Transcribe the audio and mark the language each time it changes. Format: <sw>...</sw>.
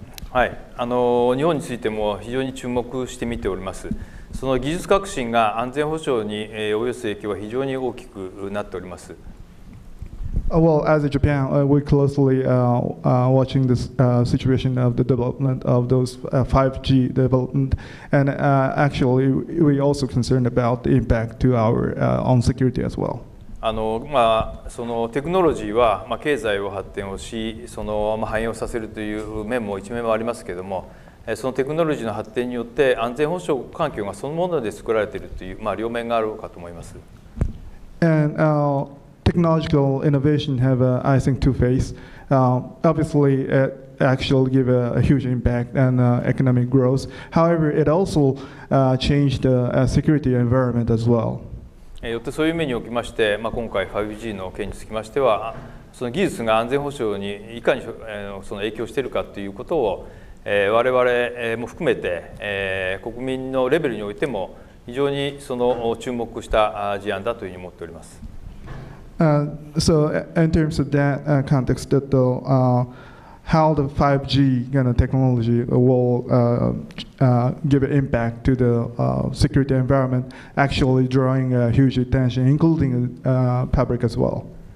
<ja>はい、日本についても非常に注目して見ております。その技術革新が安全保障に及ぼす影響は非常に大きくなっております。</ja> <en>Well, as a Japan, we're closely watching this situation of the development of those 5G development, and actually, we're also concerned about the impact to our own security as well.</en> <ja>まあ、そのテクノロジーは、まあ、経済を発展をし、その、まあ、繁栄をさせるという面も一面もありますけれども、そのテクノロジーの発展によって安全保障環境がそのもので作られているという、まあ、両面があるかと思います。</ja> <en>And our technological innovation have a, I think, two face. Obviously, it actually give a huge impact on economic growth. However, it also changed the security environment as well.</en> <ja>よってそういう面におきまして、まあ、今回 5G の件につきましては、その技術が安全保障にいかにその影響しているかということを我々も含めて国民のレベルにおいても非常にその注目した事案だというふうに思っております。</ja> <en>So in terms of that context, that the, how the 5G kind of technology will give an impact to the security environment, actually drawing a huge attention, including public as well.</en>